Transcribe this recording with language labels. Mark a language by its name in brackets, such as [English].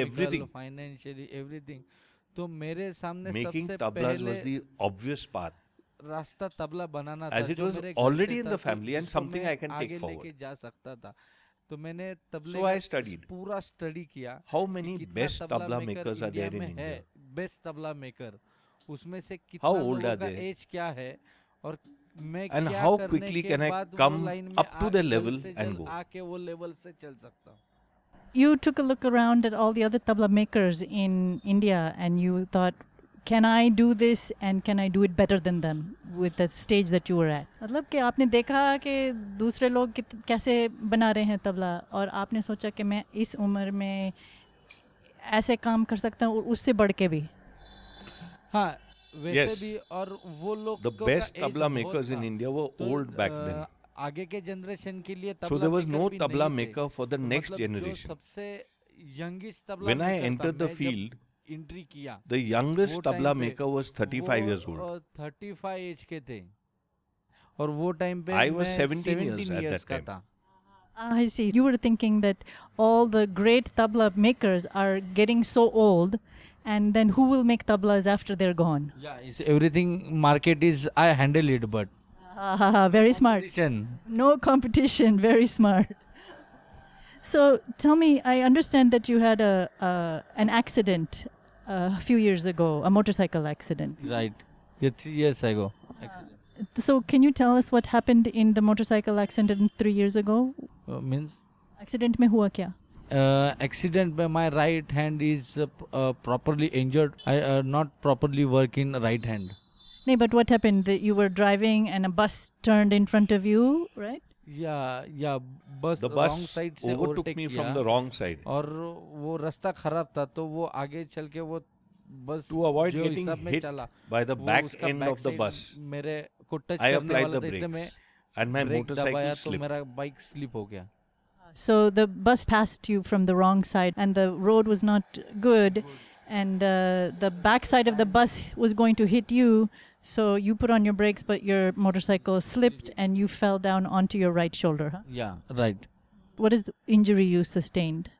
[English] everything. [Hindi] तो मेरे सामने [English] Making tablas was the obvious path. [Hindi] रास्ता तबला बनाना [English] As it was already in the family and something I can take forward. [Hindi] आगे लेके जा सकता था. तो मैंने तबले पूरा स्टडी किया. [English] How many best tabla makers are there in India? Best tabla maker. [Hindi] उसमें से कितना लोगों का age क्या है? और मैं क्या करने [English] And how quickly can I come up to the level and go? [Hindi] आके वो level से चल सकता हूँ. [English] You took a look around at all the other tabla makers in India and you thought, can I do this and can I do it better than them with the stage that you were at? [Hindi] मतलब कि आपने देखा कि दूसरे लोग कैसे बना रहे हैं तबला और आपने सोचा कि मैं इस उम्र में ऐसे काम कर सकता हूँ और उससे बढ़ के भी हाँ वैसे भी और वो लोग [English] The best tabla makers in India were old back then. [Hindi] आगे के जनरेशन के लिए [English] तबला So there was no tabla maker for the next generation. [Hindi] मतलब जो सबसे [English] youngest tabla When I entered the field, the youngest tabla maker was 35 years old. [Hindi] 35 age के थे और वो टाइम पे [English] I was 17 years at that time. I see. You were thinking that all the great tabla makers are getting so old, and then who will make tablas after they're gone? Yeah, it's everything market is. I handle it, but. Very smart. No competition. Very smart. So tell me, I understand that you had an accident a few years ago, a motorcycle accident. Right. Yeah, 3 years ago. So can you tell us what happened in the motorcycle accident 3 years ago? Means? [Hindi] Accident mein hua kya? [English] Accident [Hindi] mein [English] my right hand is properly injured. I not properly working right hand. Nee, but what happened? That you were driving and a bus turned in front of you, right? Yeah, bus. The bus wrong side [Hindi] se [English] overtook me from the wrong side. [Hindi] और वो रास्ता खराब था, तो वो आगे चलके वो bus [English] to avoid getting hit by the back end of the bus. [Hindi] मेरे को touch करने वाला था इसमें brake दबाया तो मेरा bike slip हो गया. [English] So the bus passed you from the wrong side and the road was not good. And the backside of the bus was going to hit you. So you put on your brakes, but your motorcycle slipped and you fell down onto your right shoulder. Huh? Yeah, right. What is the injury you sustained?